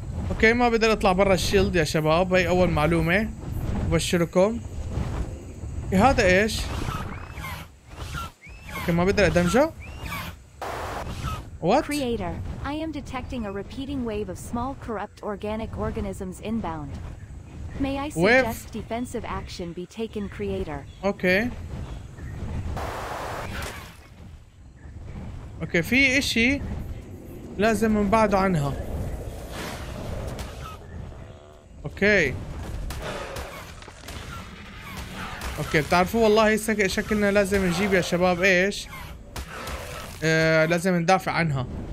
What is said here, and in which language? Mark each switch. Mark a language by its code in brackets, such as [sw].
[ar] اوكي ما بقدر اطلع برا الشيلد يا شباب، هي اول معلومه ابشركم. هذا ايش؟ اوكي ما بقدر ادمجه. [en] What? Creator, I am detecting a repeating wave of small corrupt organic organisms inbound. May I suggest defensive action be taken, creator? Okay. [ar] اوكي في اشي لازم نبعده عنها. اوكي اوكي بتعرفوا والله شكلنا لازم نجيب يا شباب ايش لازم ندافع عنها.